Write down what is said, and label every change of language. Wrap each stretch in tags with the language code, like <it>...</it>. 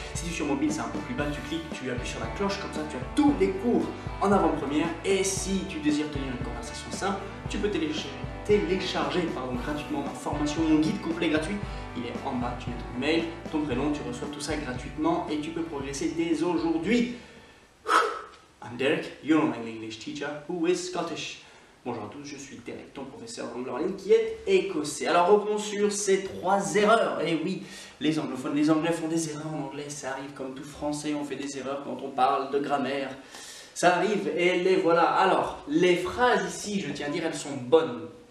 <fr>Si tu es sur mobile, c'est un peu plus bas, tu cliques, tu appuies sur la cloche, comme ça tu as tous les cours en avant-première. Et si tu désires tenir une conversation simple, tu peux télécharger gratuitement ma formation, mon guide complet gratuit. Il est en bas, tu mets ton mail, ton prénom, tu reçois tout ça gratuitement et tu peux progresser dès aujourd'hui.</fr> <en>I'm Derek, your online English teacher who is Scottish.</en> <fr>Bonjour à tous, je suis Derek, ton professeur d'anglais en ligne qui est écossais. Alors revenons sur ces 3 erreurs. Eh oui, les anglophones, les anglais font des erreurs en anglais. Ça arrive comme tout français, on fait des erreurs quand on parle de grammaire. Ça arrive et les voilà. Alors, les phrases ici, je tiens à dire, elles sont bonnes.</fr>